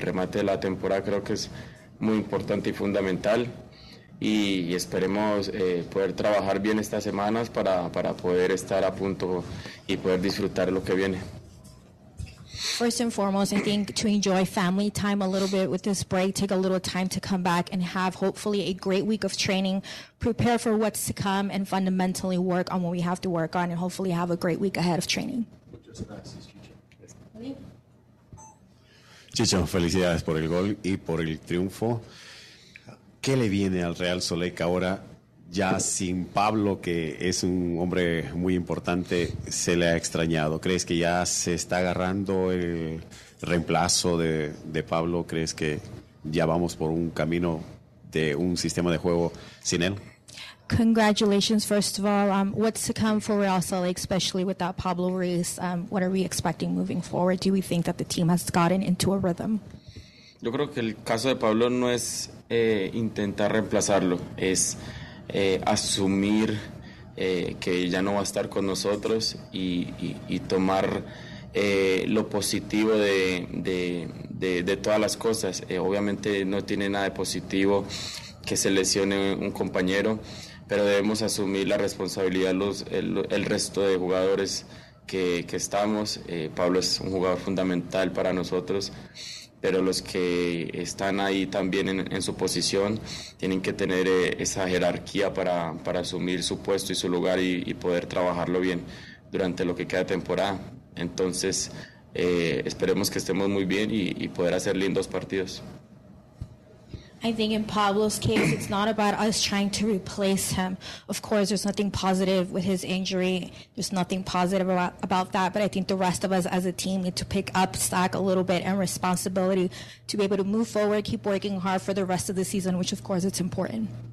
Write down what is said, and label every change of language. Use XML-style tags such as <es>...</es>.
<es>El remate de la temporada creo que es muy importante y fundamental. Y esperemos poder trabajar bien estas semanas para poder estar a punto y poder disfrutar lo que viene.</es> <en>First and foremost, I think to enjoy family time a little bit with this break, take a little time to come back and have hopefully a great week of training, prepare for what's to come, and fundamentally work on what we have to work on, and hopefully have a great week ahead of training.</en> <es>Chicho, felicidades por el gol y por el triunfo. ¿Qué le viene al Real Salt Lake ahora ya sin Pablo, que es un hombre muy importante, se le ha extrañado? ¿Crees que ya se está agarrando el reemplazo de Pablo? ¿Crees que ya vamos por un camino de un sistema de juego sin él?</es> <en>Congratulations, first of all. What's to come for Real Salt Lake, especially without Pablo Ruiz? What are we expecting moving forward? Do we think that the team has gotten into a rhythm?</en> <es>Yo creo que el caso de Pablo no es intentar reemplazarlo, es asumir que ya no va a estar con nosotros y tomar lo positivo de todas las cosas. Obviamente no tiene nada de positivo que se lesione un compañero, pero debemos asumir la responsabilidad el resto de jugadores que estamos. Pablo es un jugador fundamental para nosotros, pero los que están ahí también en su posición tienen que tener esa jerarquía para asumir su puesto y su lugar y poder trabajarlo bien durante lo que queda de temporada. Entonces, esperemos que estemos muy bien y poder hacer lindos partidos.</es> <en>I think in Pablo's case, it's not about us trying to replace him. Of course, there's nothing positive with his injury. There's nothing positive about that. But I think the rest of us as a team need to pick up slack a little bit and responsibility to be able to move forward, keep working hard for the rest of the season, which, of course, it's important.</en>